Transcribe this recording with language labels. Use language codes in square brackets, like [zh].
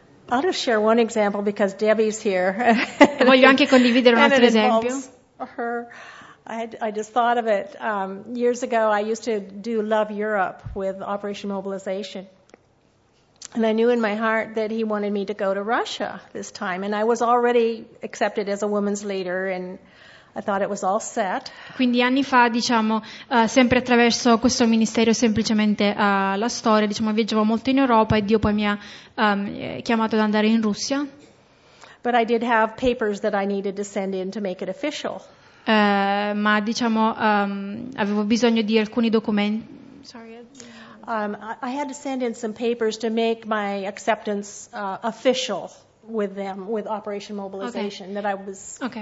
[en] I'll just share one example because Debbie's here. [it] Voglio anche condividere un altro esempio. [en] I just thought of it. Years ago, I used to do Love Europe with Operation Mobilization. And I knew in my heart that he wanted me to go to Russia this time. And I was already accepted as a women's leader and I thought it was all set. [it] Quindi anni fa, diciamo, sempre attraverso questo ministero, semplicemente la storia, diciamo, viaggiavo molto in Europa e Dio poi mi ha chiamato ad andare in Russia. [en] But I did have papers that I needed to send in to make it official. [it] Ma diciamo avevo bisogno di alcuni documenti. [en] I had to send in some papers to make my acceptance official with them, with Operation Mobilization, okay. That I was okay.